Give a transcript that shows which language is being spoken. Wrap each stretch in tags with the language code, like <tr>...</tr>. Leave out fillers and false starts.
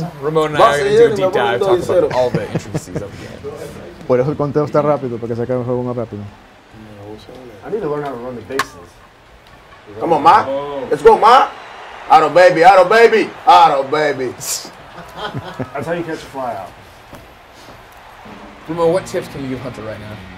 <en>Then Ramon and I are going to do a deep dive talking about all the intricacies of the game.</en> <es>Por eso el conteo está rápido, para que se acabe el juego más rápido.</es> <en>I need to learn how to run the bases. Come on, Ma. Let's go, Ma. Out of baby. That's how you catch a flyout. Ramon, what tips can you give Hunter right now?</en>